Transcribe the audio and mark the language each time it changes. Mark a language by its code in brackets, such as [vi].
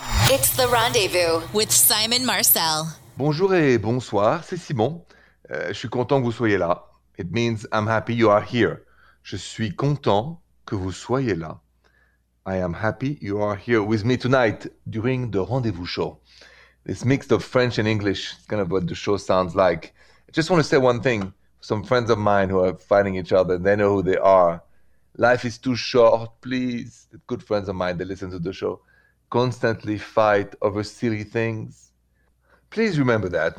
[en] It's The Rendezvous with Simon Marcel. [fr] Bonjour et bonsoir, c'est Simon. Je suis content que vous soyez là. [en] It means I'm happy you are here. [fr] Je suis content que vous soyez là. [en] I am happy you are here with me tonight during The Rendezvous Show. This mix of French and English is kind of what the show sounds like. I just want to say one thing. Some friends of mine who are fighting each other, and they know who they are. Life is too short, please. Good friends of mine that listen to the show constantly fight over silly things. Please remember that.